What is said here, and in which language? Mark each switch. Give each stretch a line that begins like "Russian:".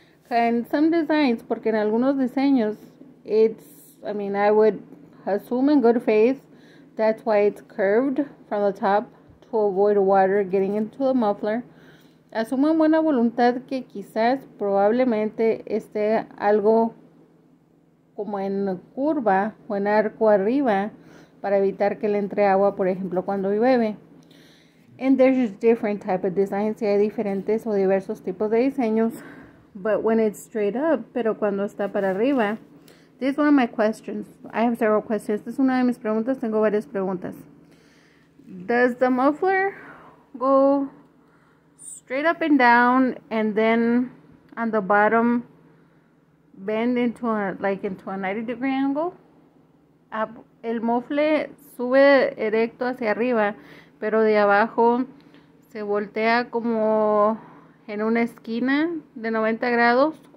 English: In some designs,
Spanish: porque en algunos diseños,
English: I would assume in good faith, that's why it's curved from the top to avoid water getting into the muffler.
Spanish: Asumo en buena voluntad que quizás, probablemente, esté algo como en curva o en arco arriba para evitar que le entre agua, por ejemplo, cuando llueve.
English: And there's different type of designs.
Spanish: Sí, hay diferentes o diversos tipos de diseños.
English: But when it's straight up,
Spanish: pero cuando está para arriba,
English: this is one of my questions. I have several questions.
Spanish: Esta es una de mis preguntas. Tengo varias preguntas.
English: Does the muffler go straight up and down and then on the bottom bend into a 90 degree angle?
Spanish: El mofle sube erecto hacia arriba, pero de abajo se voltea como en una esquina de 90 grados.